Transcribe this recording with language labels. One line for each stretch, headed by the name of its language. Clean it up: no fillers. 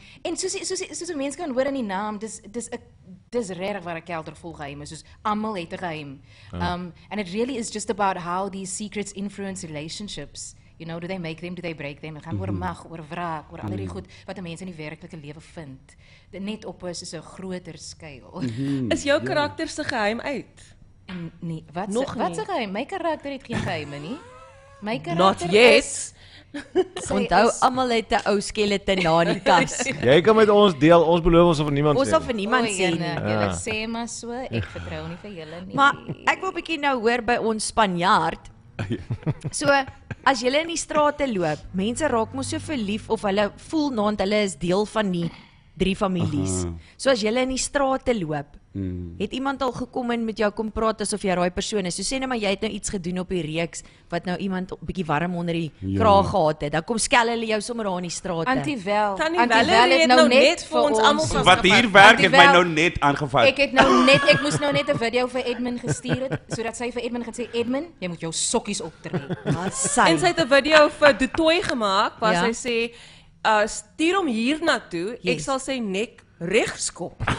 Afrikaans: En soos die mens kan hoor in die naam, dis regtig waar 'n kelder vol geheim is. Soos almal het 'n geheim.
English: And it really is just about how these secrets influence relationships. You know, do they make them, do they break them?
Afrikaans: Ek gaan oor mag, oor wraak, oor allerlei goed wat 'n mens in die werklike lewe vind. Net op is soos 'n groter skuil. Mm-hmm. Is jou karakter se geheim uit? Nee, wat nog wat se geheim? My karakter het geen geheime nie. My karakter
English: not yet.
Afrikaans: Onthou almal het 'n ou skelet na die kas. Jy kan met ons deel, ons beloof ons of niemand ons sê. Ons of niemand sê. Julle sê maar so, ek vertrou nie vir julle nie. Maar ek wil 'n bietjie nou hoor by ons Spanjaard. So as jy in die strate loop, mense raak mos so verlief of hulle voel naand hulle is deel van die drie families. Aha. So as jy in die strate loop, het iemand al gekom en met jou kom praat asof jy raai persoon is. So sê nou maar jy het nou iets gedoen op die reeks wat nou iemand bietjie warm onder die kraag gehad het. Dan kom skel hulle jou sommer daar in die strate. Antie Wel het nou net vir ons almal vasgevang. Wat hier werk het my nou net aangevang. Ek moes nou net 'n video vir Edmund gestuur het sodat sy vir Edmund gesê Edmund, jy moet jou sokkies optrek. En sy het 'n video vir De Toy gemaak waar sy sê stuur hom hier na toe.
English: Yes.
Afrikaans: Ek sal sy nek regskop.